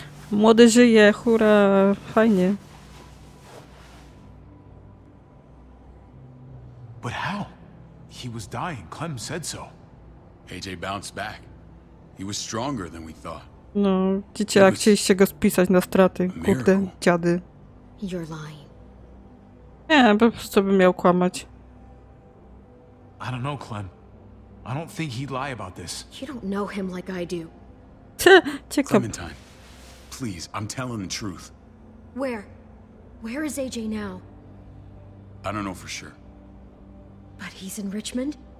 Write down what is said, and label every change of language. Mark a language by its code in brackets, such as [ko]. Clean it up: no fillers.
[pl] Młody żyje, hura, fajnie. [en] But how? He was dying. Clem said so. AJ bounced back. He was stronger than we thought. [pl] No, dzieciak, chcieliście go spisać na straty. Kurde, dziady. [en] You're lying. [pl] Nie, po prostu bym miał kłamać. [en] I don't know, Clem. I don't think he'd lie about this. You don't know him like I do. Clementine, please, I'm telling the truth. Where is AJ now? I don't know for sure. But he's in Richmond?